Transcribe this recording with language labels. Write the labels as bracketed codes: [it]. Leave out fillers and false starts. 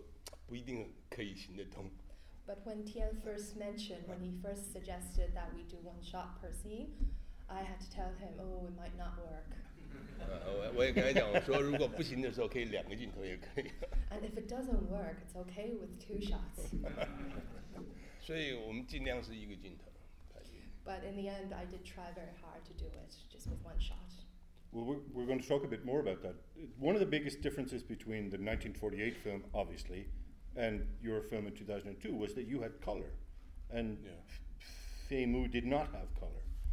[zh] 然后他说每一场一个镜头的时候，我故意说不一定可以行得通。 [en] But when Tian first mentioned, when he first suggested that we do one shot per scene, I had to tell him, oh, it might not work. [zh] 我也跟他讲，我说如果不行的时候，可以两个镜头也可以。 [en] And if it doesn't work, it's okay with two shots. [zh] 所以我们尽量是一个镜头。 [en] But in the end, I did try very hard to do it just with one shot. Well, we're going to talk a bit more about that. One of the biggest differences between the 1948 film, obviously, and your film in 2002 was that you had color, and Fei Mu did not have color.